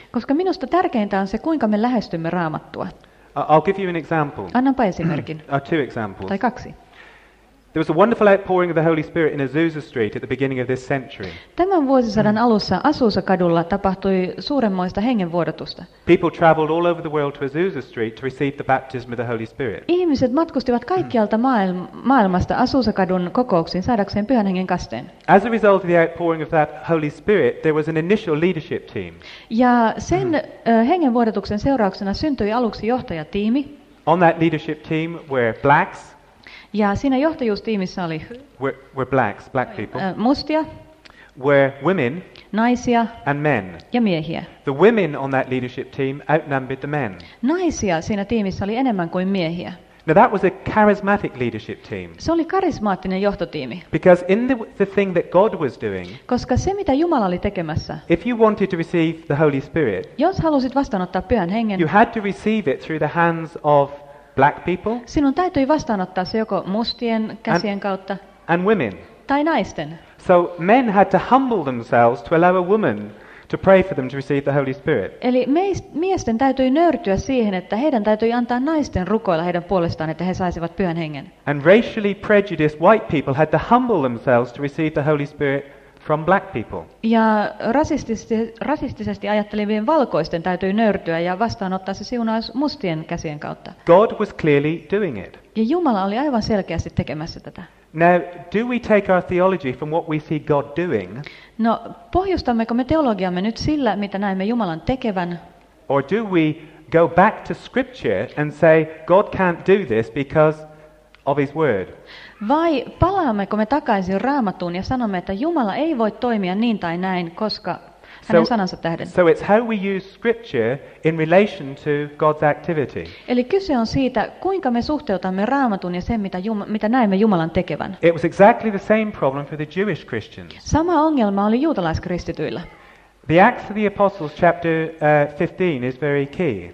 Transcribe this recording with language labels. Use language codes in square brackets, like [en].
[fi] Koska minusta tärkeintä on se, kuinka me lähestymme Raamattua. [en] I'll give you an example. [fi] Annanpa esimerkin. [en] Two examples. [fi] Tai kaksi. [en] There was a wonderful outpouring of the Holy Spirit in Azusa Street at the beginning of this century. [fi] Tämän vuosisadan alussa Azusa kadulla tapahtui suuremmoista hengenvuodatusta. [en] People traveled all over the world to Azusa Street to receive the baptism of the Holy Spirit. [fi] Ihmiset matkustivat kaikkialta maailmasta Azusa kadun kokouksiin saadakseen Pyhän Hengen kasteen. [en] As a result of the outpouring of that Holy Spirit, there was an initial leadership team. [fi] Ja sen hengenvuodatuksen seurauksena syntyi aluksi johtajatiimi. [en] On that leadership team were blacks. [fi] Ja siinä johtajuustiimissä oli [en] black people. [fi] Mustia. [en] Were women. [fi] Naisia. [en] And men. [fi] Ja miehiä. [en] The women on that leadership team outnumbered the men. [fi] Naisia siinä tiimissä oli enemmän kuin miehiä. [en] Now that was a charismatic leadership team. [fi] Se oli karismaattinen johtotiimi. [en] Because in the thing that God was doing. [fi] Koska se mitä Jumala oli tekemässä. [en] If you wanted to receive the Holy Spirit. [fi] Jos halusit vastaanottaa Pyhän Hengen. [en] You had to receive it through the hands of black people. [fi] Sinun täytyy vastaanottaa se joko mustien käsien kautta. [en] And women. [fi] Tai naisten. [en] So men had to humble themselves to allow a woman to pray for them to receive the Holy Spirit. [fi] Eli miesten täytyy nöyrtyä siihen, että heidän täytyy antaa naisten rukoilla heidän puolestaan, että he saisivat Pyhän Hengen. [en] And racially prejudiced white people had to humble themselves to receive the Holy Spirit from black people. [fi] Ja rasistisesti ajattelevien valkoisten täytyy nöyrtyä ja vastaanottaa se siunaus mustien käsien kautta. [en] God was clearly doing it. [fi] Ja Jumala oli aivan selkeästi tekemässä tätä. [en] Now, do we take our theology from what we see God doing? [fi] No, pohjustammeko me teologiamme nyt sillä, mitä näemme Jumalan tekevän? [en] Or do we go back to scripture and say God can't do this because of his word? [fi] Vai palaammeko me takaisin Raamattuun ja sanomme, että Jumala ei voi toimia niin tai näin, koska hänen sanansa tähden. [en] So it's how we use scripture in relation to God's activity. [fi] Eli kyse on siitä, kuinka me suhteutamme Raamatun ja sen, mitä näemme Jumalan tekevän. [en] It was exactly the same problem for the Jewish Christians. [fi] Sama ongelma oli juutalaiskristityillä. [en] The Acts of the Apostles chapter 15 is very key.